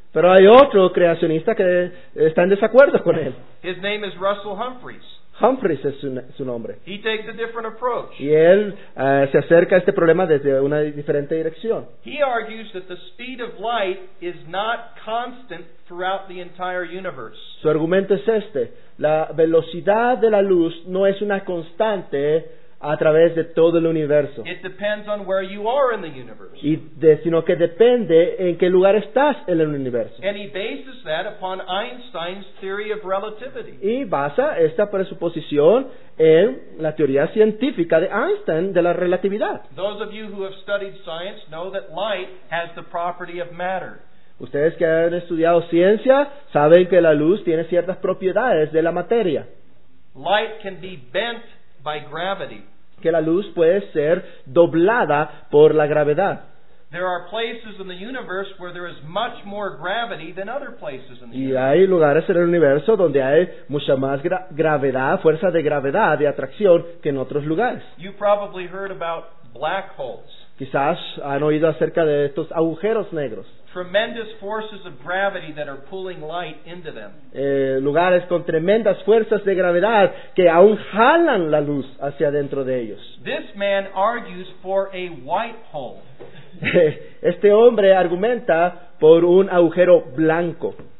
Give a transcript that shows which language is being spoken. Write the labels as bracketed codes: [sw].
[es] Pero hay otro creacionista que está en desacuerdo con él. [en] His name is Russell Humphreys. [es] Humphreys es su nombre. [en] He takes a different approach. [es] Y él se acerca a este problema desde una diferente dirección. [en] He argues that the speed of light is not constant throughout the entire universe. [es] Su argumento es este: la velocidad de la luz no es una constante a través de todo el universo. [en] It depends on where you are in the universe. [es] Sino que depende en qué lugar estás en el universo. [en] And he bases that upon Einstein's theory of relativity. [es] Y basa esta presuposición en la teoría científica de Einstein de la relatividad. [en] Those of you who have studied science know that light has the property of matter. [es] Ustedes que han estudiado ciencia saben que la luz tiene ciertas propiedades de la materia. [en] Light can be bent by gravity. [es] Que la luz puede ser doblada por la gravedad. [en] There are places in the universe where there is much more gravity than other places in the universe. [es] Y hay lugares en el universo donde hay mucha más gravedad, fuerza de gravedad, de atracción, que en otros lugares. [en] You probably heard about black holes. [es] Quizás han oído acerca de estos agujeros negros. [en] Tremendous forces of gravity that are pulling light into them. [es] Lugares con tremendas fuerzas de gravedad que aún jalan la luz hacia dentro de ellos. [en] This man argues for a white hole. [es] Este hombre argumenta por un agujero blanco.